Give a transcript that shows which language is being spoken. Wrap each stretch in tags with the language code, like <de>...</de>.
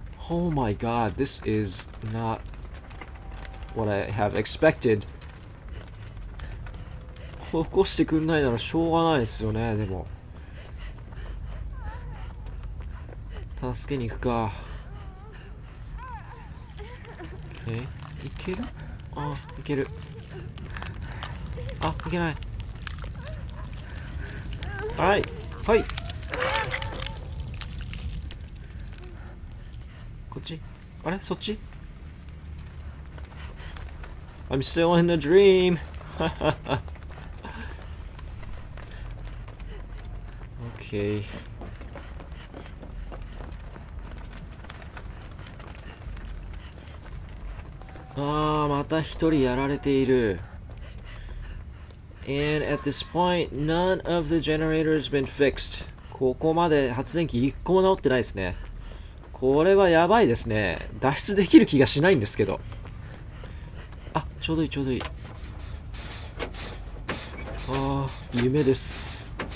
<en>Oh my god, this is not what I have expected.</en> <ja>起こしてくんないならしょうがないですよね、でも。助けに行くか。いける？あ、いける。あ、いけない。はい、はい。こっち？あれ？そっち？</ja> <en>I'm still in a dream. Okay.</en> <ja>ああ、また一人やられている。</ja> <en>And at this point, none of the generators been fixed.</en> <ja>ここまで発電機一個も直ってないですね。これはやばいですね。脱出できる気がしないんですけど。あ、ちょうどいいちょうどいい。ああ、夢です。</ja>